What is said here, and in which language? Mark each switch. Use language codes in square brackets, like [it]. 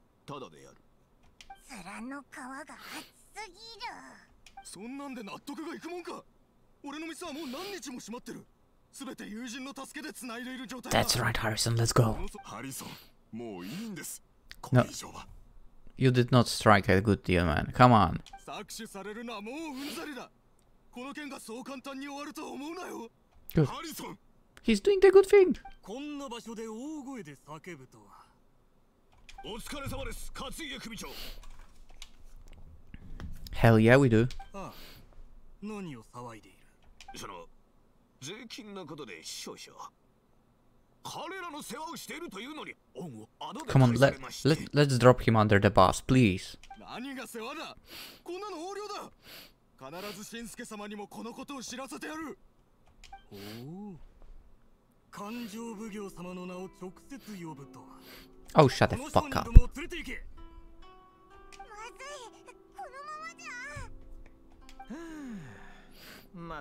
[ja] ただでやる。面の皮が厚すぎる。そんなんで納得がいくもんか。俺の店はもう何日も閉まってる。すべて友人の助けで繋いでいる状態。 [en] That's right, Harrison. Let's go. [ja] ハリソン、もういいんです。これ以上は。 [en] You did not strike a good deal, man. Come on. [ja] 搾取されるのはもううんざりだ。この件がそう簡単に終わると思うなよ。ハリソン。 [en] He's doing a good thing. [ja] こんな場所で大声で叫ぶとは。お疲れ様です、勝家組長。 [en] Hell yeah, we do. [ja] ああ、何を騒いでいる。その。税金のことで少々。彼らの世話をしているというのに恩をあだで返されまして。 [en] Come on, let's drop him under the bus, please. [ja] 何が世話だ。こんなの横領だ。必ず新助様にもこのことを知らせてやる。おお。勘定奉行様の名を直接呼ぶとは。 [en] Oh, shut the fuck up. [ja] この連れて行け。まずい。このままじゃ。